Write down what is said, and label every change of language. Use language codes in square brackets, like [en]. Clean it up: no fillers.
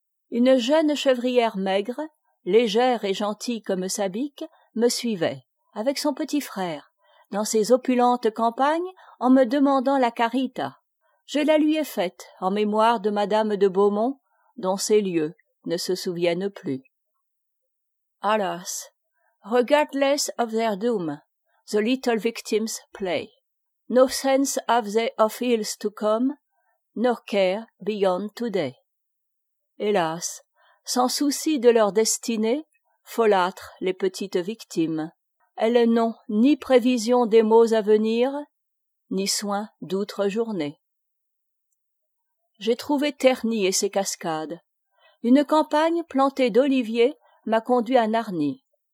[fr] Une jeune chevrière maigre, légère et gentille comme Sabique, me suivait, avec son petit frère, dans ses opulentes campagnes, en me demandant la carita. Je la lui ai faite en mémoire de Madame de Beaumont, dont ces lieux ne se souviennent plus. [en] Alas, regardless of their doom, the little victims play. No sense have they of ills to come, nor care beyond today. [fr] Hélas, sans souci de leur destinée, folâtrent les petites victimes. Elles n'ont ni prévision des maux à venir, ni soin d'outre-journée. J'ai trouvé Terni et ses cascades. Une campagne plantée d'oliviers m'a conduit à Narni.